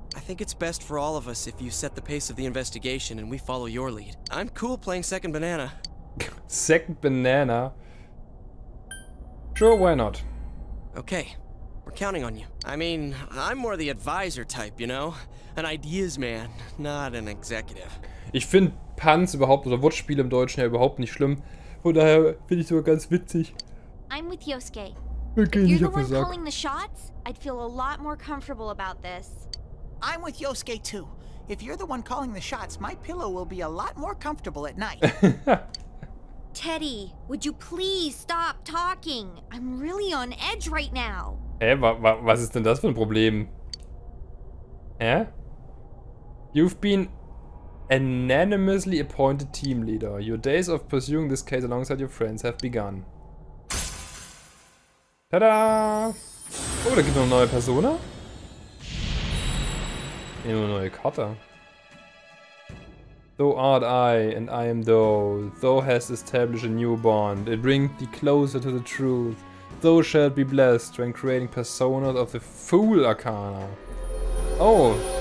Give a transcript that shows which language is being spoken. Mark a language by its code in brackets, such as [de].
[en] I think it's best for all of us if you set the pace of the investigation and we follow your lead. I'm cool playing second banana. Second banana? Sure, why not? Okay, we're counting on you. I mean, I'm more the advisor type, you know? An ideas man, not an executive. [de] Ich finde Puns überhaupt oder Wortspiele im Deutschen ja überhaupt nicht schlimm. Von daher finde ich sogar ganz witzig. [en] I'm with Yosuke. Okay, if you're [de] nicht [en] the one calling the shots, I'd feel a lot more comfortable about this. I'm with Yosuke too. If you're the one calling the shots, my pillow will be a lot more comfortable at night. Teddy, would you please stop talking? I'm really on edge right now. [de] Hä, was ist denn das für ein Problem? [en] Hä? You've been unanimously appointed team leader. Your days of pursuing this case alongside your friends have begun. Tada! [de] Oh, da gibt es noch eine neue Persona? Eine neue Karte. [en] Thou art I, and I am thou. Thou hast established a new bond. It brings thee closer to the truth. Thou shalt be blessed when creating personas of the Fool Arcana. Oh!